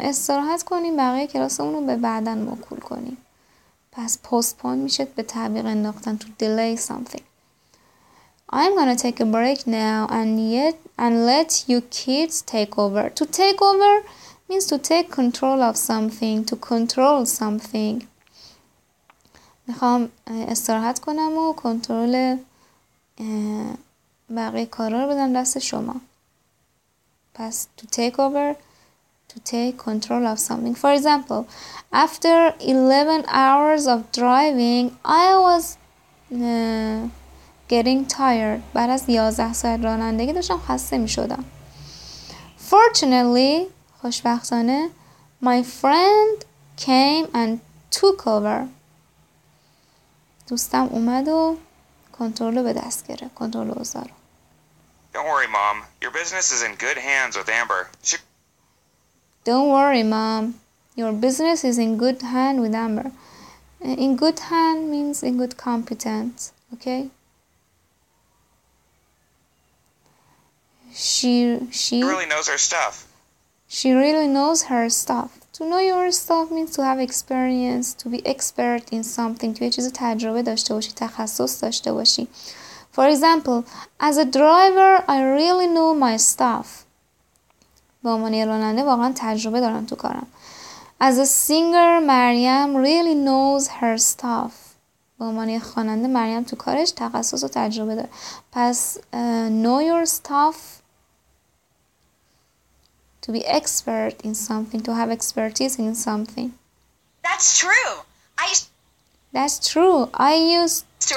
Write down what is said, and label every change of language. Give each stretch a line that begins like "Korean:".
Persian: استراحت کنیم بقیه کلاسمون رو به بعدن موکول کنیم. پس postpone میشه به تعویق انداختن
English: to delay something. I'm gonna take a break now and let you kids take over. To take over means to take control of something, to control something.
Persian: میخوام استراحت کنم و کنترل بقیه کارا رو بدم دست شما.
English: پس to take control of something. For example, after 11 hours of driving, I was getting tired.
Persian: بعد از 11 ساعت رانندگی داشتم خسته می شدم.
English: Fortunately,
Persian: خوشبختانه,
English: my friend came and took over.
Persian: دوستم اومد و کنترل رو به دست گرفت. کنترل رو اوضاع رو.
English: Don't worry, Mom. Your business is in good hands with Amber. Don't worry, Mom. Your business is in good hand with Amber. In good hand means in good competence, okay? She really knows her stuff. She really knows her stuff. To know your stuff means to have experience, to be expert in something.
Persian: توی چیز تجربه داشته باشی, تخصص داشته باشی.
English: For example, as a driver, I really know my stuff.
Persian: به عنوان یه راننده واقعا تجربه دارم تو کارم.
English: As a singer, Maryam really knows her stuff.
Persian: به عنوان یه خواننده مریم تو کارش تخصص و تجربه داره.
English: پس know your stuff. To be expert in something. To have expertise in something. That's true. I used to